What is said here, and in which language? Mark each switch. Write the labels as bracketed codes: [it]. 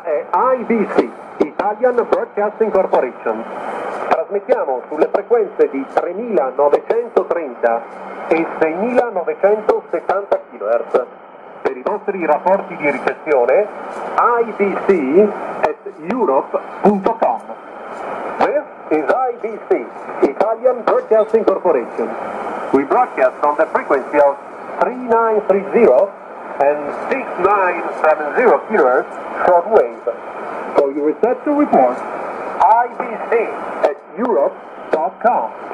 [it] ABC, Italian Broadcasting Corporation. Trasmettiamo sulle frequenze di 3930 e 6970 kHz. Per i vostri rapporti di ricezione, ibc@europe.com. [en] This is IBC, Italian Broadcasting Corporation. We broadcast on the frequency of 3930 and 6970 kHz shortwave. For your reception report, ibc@europe.com.